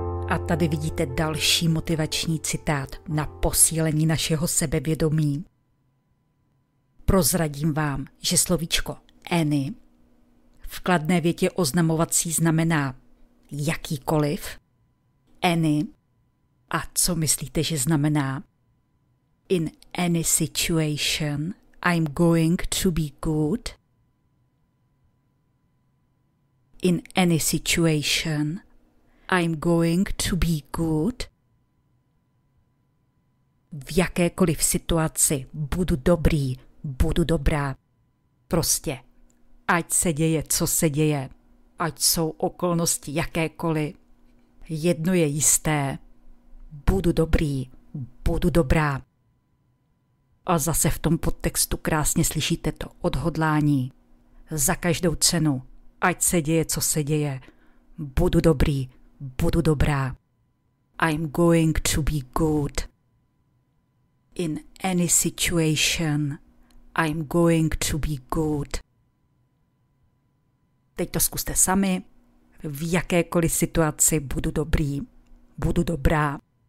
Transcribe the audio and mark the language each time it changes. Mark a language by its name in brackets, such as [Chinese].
[Czech] A tady vidíte další motivační citát na posílení našeho sebevědomí. Prozradím vám, že slovíčko any v kladné větě oznamovací znamená jakýkoliv, any, a co myslíte, že znamená? [English] In any situation, I'm going to be good. In any situation, I'm going to be good. [Czech] V jakékoliv situaci budu dobrý. Budu dobrá. Prostě, ať se děje, co se děje, ať jsou okolnosti jakékoliv, jedno je jisté, budu dobrý, budu dobrá. A zase v tom podtextu krásně slyšíte to odhodlání. Za každou cenu, ať se děje, co se děje, budu dobrý, budu dobrá. [English] I'm going to be good. In any situation, I'm going to be good. [Czech] Teď to zkuste sami. V jakékoliv situaci budu dobrý, budu dobrá.